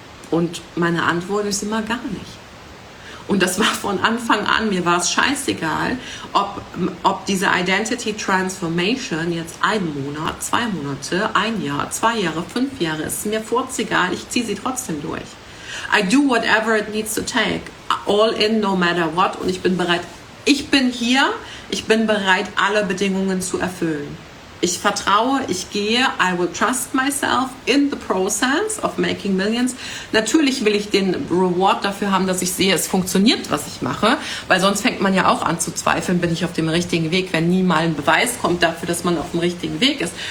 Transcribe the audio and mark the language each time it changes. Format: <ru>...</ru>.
<de>Und meine Antwort ist immer gar nicht. Und das war von Anfang an, mir war es scheißegal, ob diese Identity Transformation jetzt 1 Monat, 2 Monate, 1 Jahr, 2 Jahre, 5 Jahre ist. Mir furzegal, ich ziehe sie trotzdem durch.</de> <en>I do whatever it needs to take, all in, no matter what.</en> <de>Und ich bin bereit, ich bin hier, ich bin bereit, alle Bedingungen zu erfüllen. Ich vertraue, ich gehe,</de> <en>I will trust myself in the process of making millions.</en> <de>Natürlich will ich den Reward dafür haben, dass ich sehe, es funktioniert, was ich mache, weil sonst fängt man ja auch an zu zweifeln, bin ich auf dem richtigen Weg, wenn nie mal ein Beweis kommt dafür, dass man auf dem richtigen Weg ist.</de>